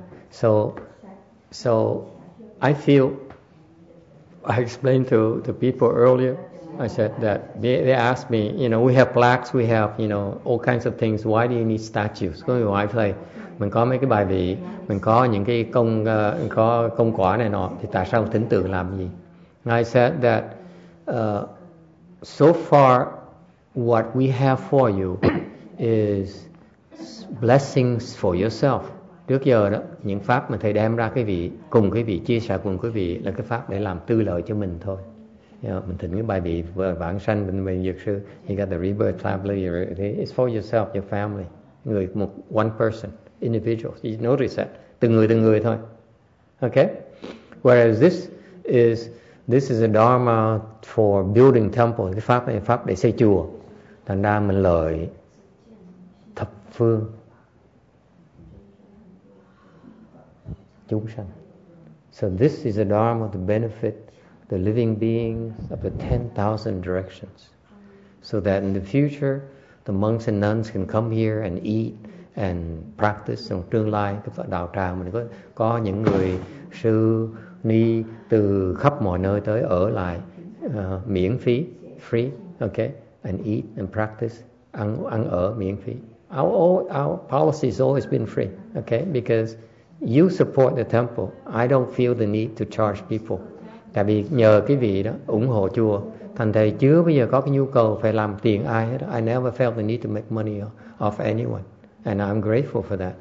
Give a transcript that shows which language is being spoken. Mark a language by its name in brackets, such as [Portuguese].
[English] So I feel I explained to the people earlier. I said that they asked me, you know, we have plaques, we have, you know, all kinds of things. Why do you need statues? [Vietnamese] Cái người ngoại thầy, mình có mấy cái bài vị, mình có những cái công có công quả này nọ, thì tại sao thỉnh tượng làm gì? [English] I said that so far what we have for you is blessings for yourself. [Vietnamese] Trước giờ đó, những pháp mà thầy đem ra cái vị, cùng cái vị chia sẻ cùng quý vị là cái pháp để làm tư lợi cho mình thôi. [English] You know, [Vietnamese] mình thỉnh cái bài vị vãng sanh, mình dược sư, [English] you got the rebirth, it's for yourself, your family, [Vietnamese] người một [English] one person, individual. You notice that [Vietnamese] từng người thôi. [English] Okay. Whereas this is a dharma for building temple. [Vietnamese] Cái pháp này là pháp để xây chùa. Thành ra mình lợi thập phương chúng sanh. [English] So this is a dharma to benefit the living beings of the 10,000 directions. So that in the future, the monks and nuns can come here and eat and practice. [Vietnamese] Trong tương lai, cái đạo tràng mình có những người sư ni từ khắp mọi nơi tới ở lại miễn phí, [English] free, okay, and eat and practice, [Vietnamese] ăn ở miễn phí. [English] Our policy has always been free, okay, because you support the temple. I don't feel the need to charge people. [Vietnamese] Tại vì nhờ cái vị đó ủng hộ chùa, thành thầy chưa bây giờ có cái nhu cầu phải làm tiền ai hết. [English] I never felt the need to make money off anyone, and I'm grateful for that.